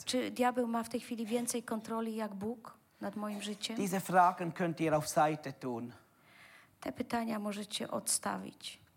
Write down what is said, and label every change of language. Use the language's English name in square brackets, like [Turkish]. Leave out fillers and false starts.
[Polish] diabeł ma w tej chwili więcej kontroli jak Bóg nad moim życiem? [German] Diese Fragen könnt ihr auf Seite tun. [Polish] Te pytania możecie odstawić.